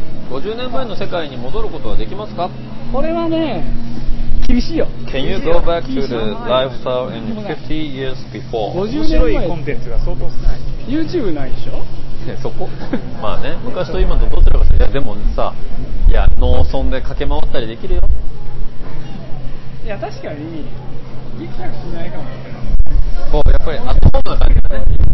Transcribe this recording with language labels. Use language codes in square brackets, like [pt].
[ja] 50年前の世界に戻ることはできますか。これはね、厳しいよ。 [en] Can you go back to the lifestyle in 50 years before? [ja] 面白いコンテンツが相当少ない。 YouTube ないでしょ。そこまあね、昔と今とどちらかしら。いやでもさ、いや農村で駆け回ったりできるよ。いや確かにギクシャクしないかも。こうやっぱりアットホームな感じだね。